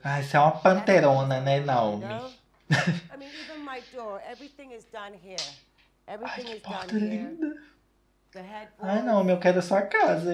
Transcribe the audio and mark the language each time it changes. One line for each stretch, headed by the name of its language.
Portuguese: Ah, você é uma panterona, né, Naomi?
English: I mean, even my door, everything is done here. Everything is done here.
Portuguese: Linda.
English: The headboard.
Portuguese: Ai, Naomi, eu quero a sua casa.